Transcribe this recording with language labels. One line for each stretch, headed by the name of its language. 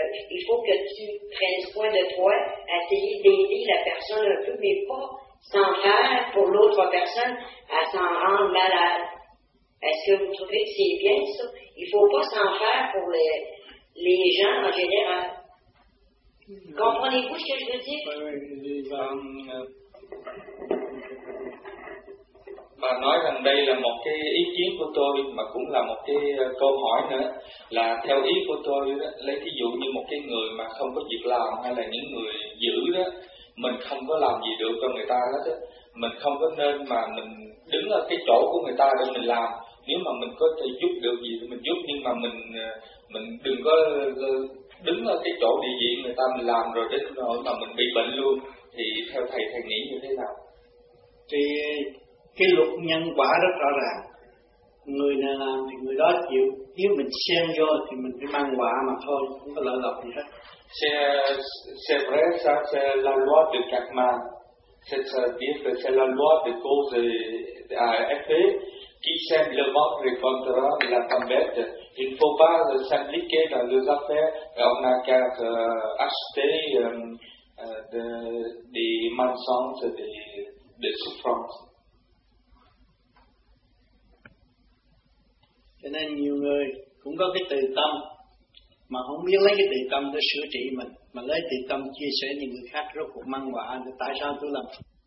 French: Il faut que tu prennes soin de toi, essayer d'aider la personne un peu, mais pas s'en faire pour l'autre personne à s'en rendre malade. Est-ce que vous trouvez que c'est bien ça? Il ne faut pas s'en faire pour les gens en général. Mm-hmm. Comprenez-vous ce que je veux dire?
Vietnamese: Bà nói rằng đây là một cái ý kiến của tôi mà cũng là một cái câu hỏi nữa, là theo ý của tôi đó, lấy ví dụ như một cái người mà không có việc làm hay là những người dữ đó, mình không có làm gì được cho người ta hết đó, mình không có nên mà mình đứng ở cái chỗ của người ta để mình làm. Nếu mà mình có thể giúp được gì thì mình giúp, nhưng mà mình đừng có đứng ở cái chỗ địa vị người ta mình làm rồi đến nỗi mà mình bị bệnh luôn. Thì theo thầy nghĩ như thế nào? Thì cái luật nhân quả rất rõ ràng, người nào làm thì người đó chịu, nếu mình xem vô thì mình phải mang quả mà thôi, không có lợi lộc gì hết.
French: C'est vrai ça, c'est la loi de karma, c'est la loi de cause et effet, qui sème le vent récoltera la tempête. Il ne faut pas s'impliquer dans les affaires, on n'a qu'à acheter des mensonges et des souffrances.
Vietnamese: Cho nên nhiều người cũng có cái từ tâm mà không biết lấy cái từ tâm để sửa trị mình, mà lấy từ tâm chia sẻ những người khác, rốt cuộc mang quả, tại sao tôi làm phật?